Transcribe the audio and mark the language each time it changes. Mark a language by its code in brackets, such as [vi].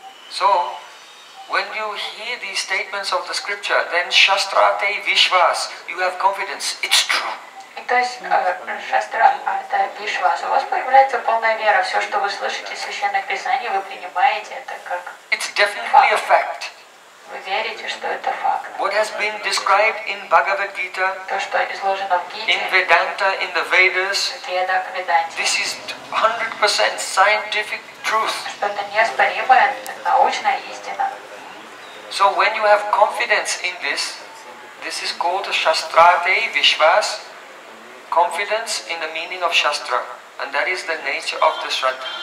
[en] So, when you hear these statements of the scripture, then shastrate vishvas, you have confidence, it's true. [ru] То есть шастра арта вишвас. У вас появляется полная вера. Все, что вы слышите из священных писаний, вы принимаете это как факт. [en] It's definitely a fact. [ru] Вы верите, что это факт. [en] What has been described in Bhagavad-Gita, [ru] то, что изложено в Гите, [en] in Vedanta, in the Vedas, [ru] Ведах, Веданте, [en] this is 100% scientific truth. [ru] Что это неоспоримая научная истина. [en] So when you have confidence in this, this is called shastrate vishvas, confidence in the meaning of Shastra, and that is the nature of the Shraddha,